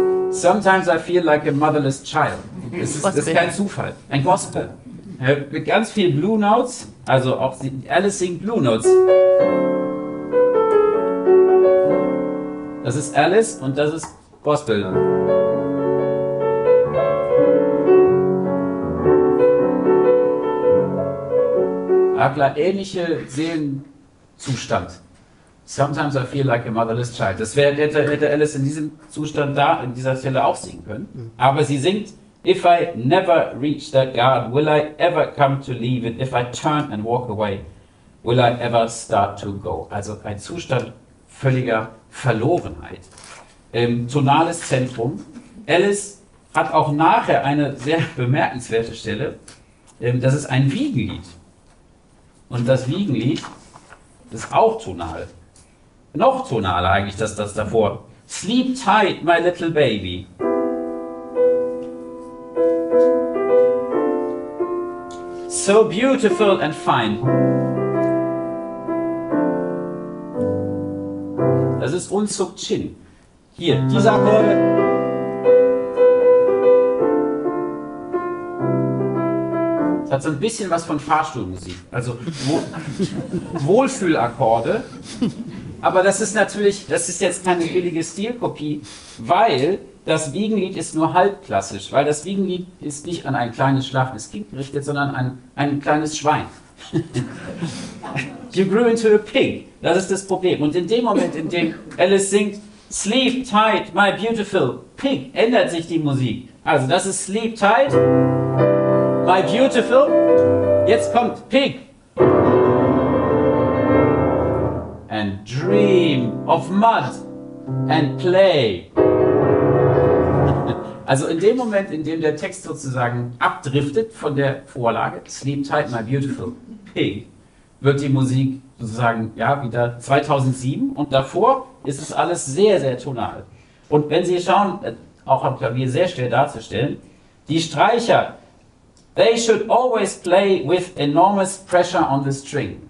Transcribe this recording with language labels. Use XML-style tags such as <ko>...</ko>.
<en>Sometimes I feel like a motherless child.</en> <de>Das ist kein Zufall. Ein Gospel. Mit ganz vielen Blue Notes. Also auch Alice singt Blue Notes. Das ist Alice und das ist Gospel. Adler, ähnliche Seelenzustand.</de> <en>Sometimes I feel like a motherless child.</en> <de>Das wäre, hätte Alice in diesem Zustand da, in dieser Stelle auch singen können. Aber sie singt,</de> <en>if I never reach that God, will I ever come to leave it? If I turn and walk away, will I ever start to go?</en> <de>Also ein Zustand völliger Verlorenheit. Tonales Zentrum. Alice hat auch nachher eine sehr bemerkenswerte Stelle. Das ist ein Wiegenlied. Und das Wiegenlied ist auch tonal. Noch tonaler eigentlich, dass das davor.</de> <en>Sleep tight, my little baby. So beautiful and fine.</en> <de>Das ist Unsuk Chin. Hier, dieser Akkord. Das hat so ein bisschen was von Fahrstuhlmusik. Also Wohlfühlakkorde. Aber das ist natürlich, das ist jetzt keine billige Stilkopie, weil das Wiegenlied ist nur halbklassisch, weil das Wiegenlied ist nicht an ein kleines schlafendes Kind gerichtet, sondern an ein kleines Schwein.</de> <en>You grew into a pig.</en> <de>Das ist das Problem. Und in dem Moment, in dem Alice singt,</de> <en>sleep tight, my beautiful pig,</en> <de>ändert sich die Musik. Also das ist</de> <en>sleep tight, my beautiful.</en> <de>Jetzt kommt pig.</de> <en>And dream of mud and play.</en> <de>Also in dem Moment, in dem der Text sozusagen abdriftet von der Vorlage,</de> <en>sleep tight, my beautiful pig,</en> <de>wird die Musik sozusagen, ja, wieder 2007. Und davor ist es alles sehr, sehr tonal. Und wenn Sie schauen, auch am Klavier sehr schwer darzustellen, die Streicher,</de> <en>they should always play with enormous pressure on the string.</en>